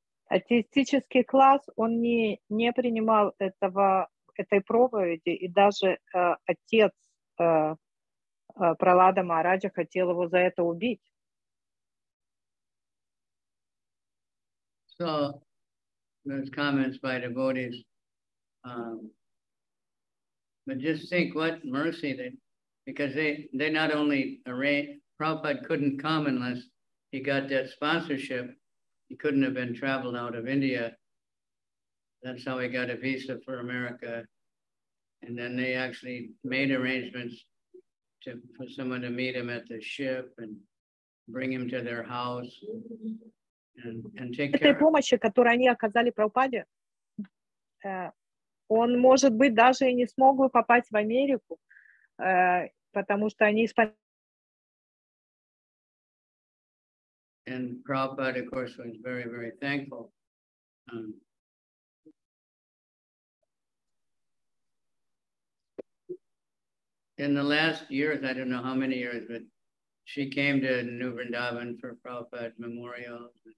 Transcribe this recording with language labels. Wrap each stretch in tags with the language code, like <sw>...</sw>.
<ru>Атеистический класс, он не принимал этой проповеди, и даже отец Прахлада Махараджа хотел его за это убить.</ru> <en>So, there's comments by devotees. But just think what mercy they, because they not only arranged, Prabhupada couldn't come unless he got that sponsorship. He couldn't have been traveled out of India. That's how he got a visa for America. And then they actually made arrangements for someone to meet him at the ship and bring him to their house and take care of him.</en> <ru>Этой помощи, которую они оказали Прабхупаде, он, может быть, даже и не смог бы попасть в Америку, потому что они испанцы.</ru> <en>And Prabhupada, of course, was very, very thankful. In the last years, I don't know how many years, but she came to New Vrindavan for Prabhupada memorials.</en>